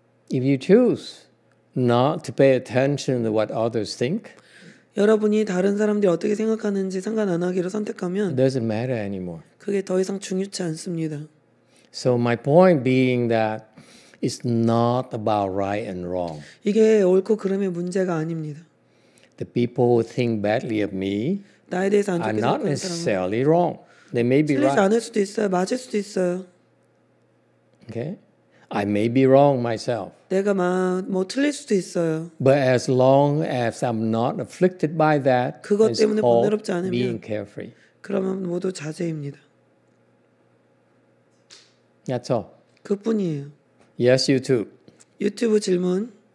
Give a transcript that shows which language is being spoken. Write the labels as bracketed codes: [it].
[en] If you choose not to pay attention to what others think, [ko] 여러분이 다른 사람들이 어떻게 생각하는지 상관 안 하기로 선택하면 [en] doesn't matter anymore. [ko] 그게 더 이상 중요치 않습니다. [en] So my point being that it's not about right and wrong. [ko] 이게 옳고 그름의 문제가 아닙니다. [en] The people who think badly of me are not necessarily wrong. They may be right. [ko] 틀리지 않을 수도 있어요. 맞을 수도 있어요. [en] Okay? I may be wrong myself. [ko] 내가 뭐 틀릴 수도 있어요. [en] But as long as I'm not afflicted by that, [ko] 그것 때문에 번거롭지 않으면 [en] being carefree. [ko] 그러면 모두 자제입니다. [en] That's all. [ko] 그뿐이에요. [en] Yes, YouTube. [ko] 유튜브 질문.